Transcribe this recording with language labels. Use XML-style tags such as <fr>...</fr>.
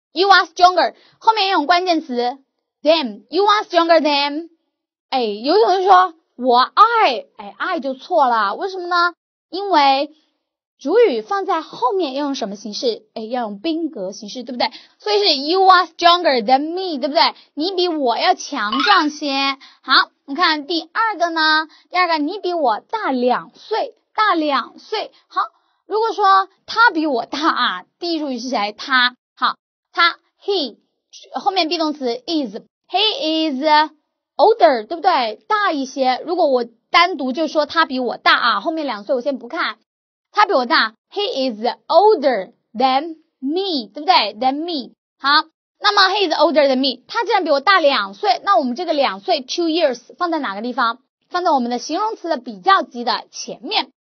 <en>You are stronger,</en> <zh>后面用关键词 them,</zh> <en>you are stronger than,</en> <zh>哎，有同学说我爱，哎，爱就错了，为什么呢？因为主语放在后面要用什么形式？哎，要用宾格形式，对不对？所以是</zh> <en>you are stronger than me,</en> <zh>对不对？你比我要强壮些。好，你看第二个呢？第二个，你比我大两岁，大两岁。好，如果说他比我大啊，第一主语是谁？他。好，他 he 后面 be 动词 is,</zh> <en>he is older,</en> <zh>对不对？大一些。如果我单独就说他比我大啊，后面两岁我先不看。他比我大，</zh> <en>he is older than me,</en> <zh>对不对？</zh> <en>than me,</en> <zh>好，那么</zh> <en>he is older than me,</en> <zh>他竟然比我大两岁，那我们这个两岁</zh> <en>two years</en> <zh>放在哪个地方？放在我们的形容词的比较级的前面。</zh>